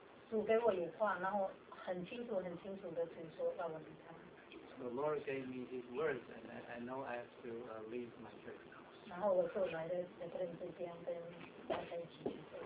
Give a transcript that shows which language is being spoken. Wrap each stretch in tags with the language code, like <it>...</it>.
<zh>主给我有话，然后很清楚的主说要我离开。</zh> <en>The Lord gave me His words, and I know I have to leave my church.</en> <zh>然后我就来了两个人之间，跟大家一起去。</zh>